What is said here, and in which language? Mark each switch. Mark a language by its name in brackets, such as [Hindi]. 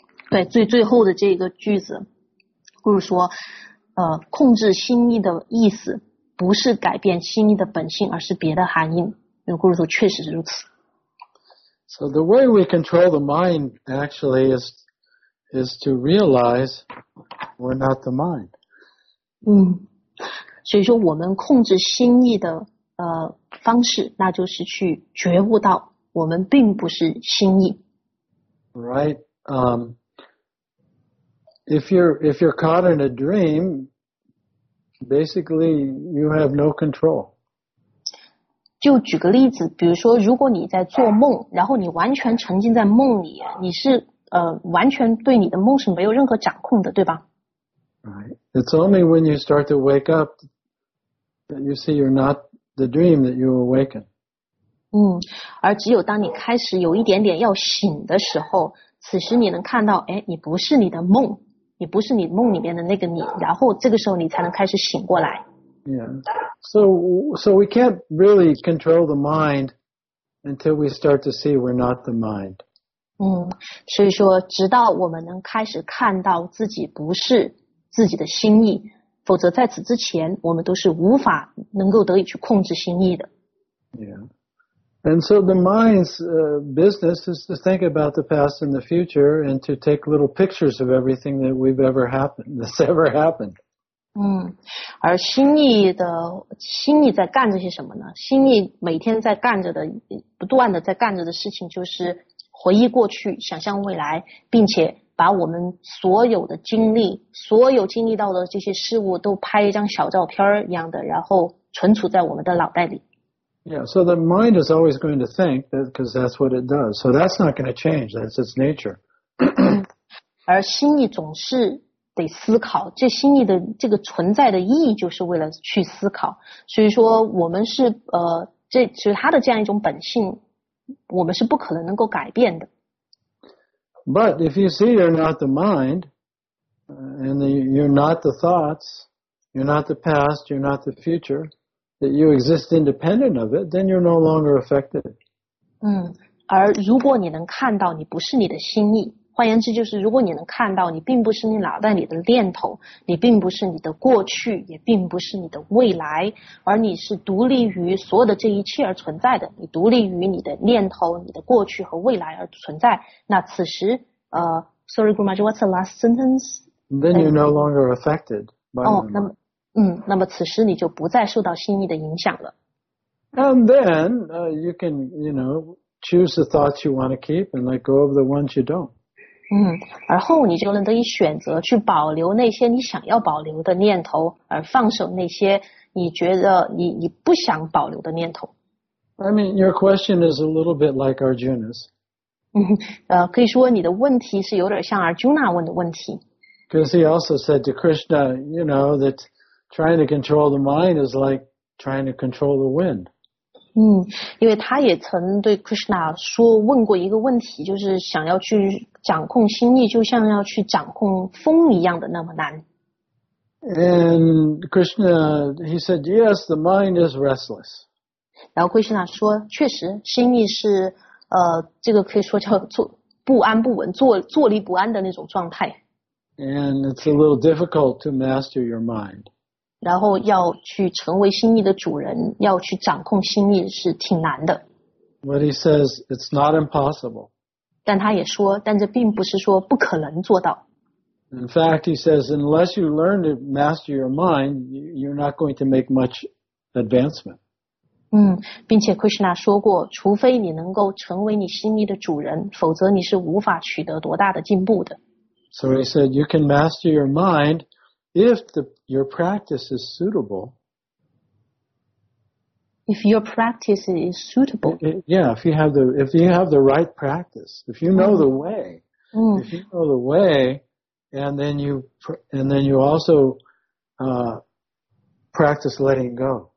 [Chinese] 对，最后的这个句子，就是说，控制心意的意思不是改变心意的本性，而是别的含义。有故事说，确实如此。 [English] So the way we control the mind actually is to realize we're not the mind. [Chinese] 所以说我们控制心意的方式，那就是去觉悟到我们并不是心意。 [English] Right. If you're caught in a dream, basically you have no control. [Chinese] 就举个例子，比如说，如果你在做梦，然后你完全沉浸在梦里，你是完全对你的梦是没有任何掌控的，对吧？ [English] Right. It's only when you start to wake up that you see you're not the dream that you awaken. [Chinese] 而只有当你开始有一点点要醒的时候，此时你能看到，哎，你不是你的梦。你不是你梦里面的那个你，然后这个时候你才能开始醒过来。 [English] Yeah. So we can't really control the mind until we start to see we're not the mind. [Chinese] 所以说直到我们能开始看到自己不是自己的心意，否则在此之前我们都是无法能够得以去控制心意的。 [English] Yeah. And so the mind's business is to think about the past and the future and to take little pictures of everything that we've ever happened, that's ever happened. [Chinese] 而心意在干着些什么呢？心意每天在干着的，不断的在干着的事情就是回忆过去，想象未来，并且把我们所有的经历，所有经历到的这些事物都拍一张小照片一样的，然后存储在我们的脑袋里。 [English] Yeah, so the mind is always going to think because that's what it does. So that's not going to change. That's its nature. [Chinese] 而心意总是得思考，这心意的这个存在的意义就是为了去思考。所以说我们是这其实它的这样一种本性我们是不可能能够改变的。 [English] But if you see you're not the mind, and you're not the thoughts, you're not the past, you're not the future,that you exist independent of it, then you're no longer affected. [Chinese] 而如果你能看到你不是你的心意，换言之就是如果你能看到你并不是你脑袋里的念头，你并不是你的过去，也并不是你的未来，而你是独立于所有的这一切而存在的，你独立于你的念头，你的过去和未来而存在，那此时 [English] sorry, Gurumaji, what's the last sentence? Then you're no longer affected by the mind. [Chinese] 那么此时你就不再受到心意的影响了。 [English] And then, you can, you know, choose the thoughts you want to keep and let go of the ones you don't. [Chinese] 而后你就能得以选择去保留那些你想要保留的念头，而放手那些你觉得你不想保留的念头。 [English] I mean, your question is a little bit like Arjuna's. [Chinese] 可以说你的问题是有点像 Arjuna 问的问题。 [English] Because he also said to Krishna, you know, that trying to control the mind is like trying to control the wind. [Chinese] 因为他也曾对 Krishna 说问过一个问题，就是想要去掌控心意，就像要去掌控风一样的那么难。 [English] And Krishna, he said, yes, the mind is restless. [Chinese] 然后 Krishna 说，确实，心意是这个可以说叫做不安不稳，坐立不安的那种状态。 [English] And it's a little difficult to master your mind. [Chinese] 然后要去成为心意的主人，要去掌控心意是挺难的。 [English] But he says it's not impossible. [Chinese] 但他也说，但这并不是说不可能做到。 [English] In fact, he says, unless you learn to master your mind, you're not going to make much advancement. [Chinese] 并且 Krishna 说过，除非你能够成为你心意的主人，否则你是无法取得多大的进步的。 [English] So he said, you can master your mind if your practice is suitable. If your practice is suitable. If you have the right practice, if you know the way, if you know the way,And then you also practice letting go.